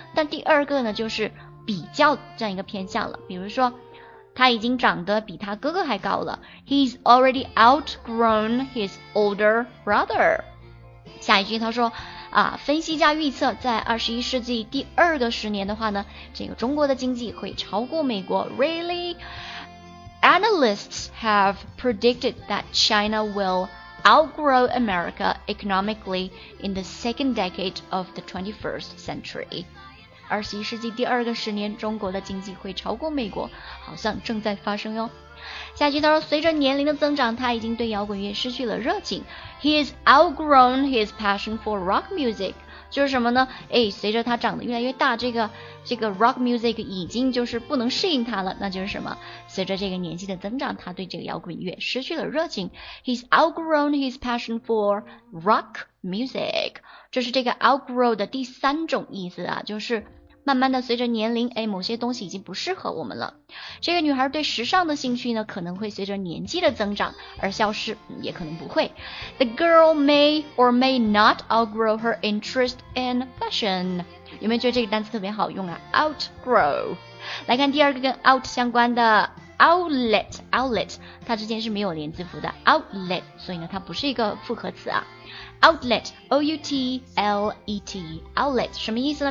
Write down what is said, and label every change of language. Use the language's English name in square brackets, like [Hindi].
[Chinese] 但第二个呢，就是比较这样一个偏向了，比如说他已经长得比他哥哥还高了。 [English] He's already outgrown his older brother。 [Chinese] 下一句他说啊，分析家预测在21世纪第二个十年的话呢，这个中国的经济会超过美国。 [English] Really? Analysts have predicted that China will outgrow America economically in the second decade of the 21st century。 [Chinese] 二十一世纪第二个十年，中国的经济会超过美国，好像正在发生哟。下句他说，随着年龄的增长，他已经对摇滚乐失去了热情。 [English] He has outgrown his passion for rock music。 [Chinese] 就是什么呢？哎，随着他长得越来越大，这个 rock music 已经就是不能适应他了。那就是什么？随着这个年纪的增长，他对这个摇滚乐失去了热情。 [English] He's outgrown his passion for rock music。 [Chinese] 这是这个 outgrow 的第三种意思啊，就是慢慢的随着年龄，哎，某些东西已经不适合我们了。这个女孩对时尚的兴趣呢，可能会随着年纪的增长而消失，也可能不会。 [English] The girl may or may not outgrow her interest in fashion。 [Chinese] 有没有觉得这个单词特别好用啊？ outgrow。 来看第二个跟 out 相关的outlet， 它之间是没有连字符的 outlet， 所以呢它不是一个复合词啊。 outlet 什么意思呢？